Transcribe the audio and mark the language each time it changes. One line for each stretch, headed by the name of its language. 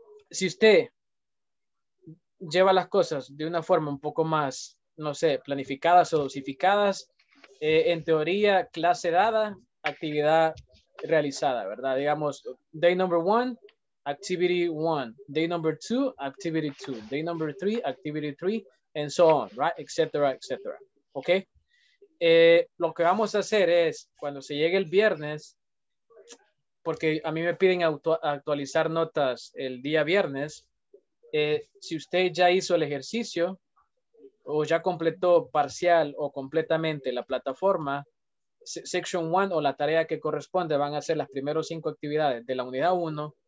Spanish: Si usted lleva las cosas de una forma un poco más, no sé, planificadas o dosificadas, en teoría, clase dada, actividad realizada, ¿verdad? Digamos,
English: day number one, activity one. Day number two, activity two. Day number three, activity three, and so on, right?
Spanish: Etcétera, etcétera, ¿ok? Lo que vamos a hacer es, cuando se llegue el viernes, porque a mí me piden actualizar notas el día viernes, si usted ya hizo el ejercicio o ya completó parcial o completamente la plataforma, section 1 o la tarea que corresponde van a ser las primeras 5 actividades de la unidad 1.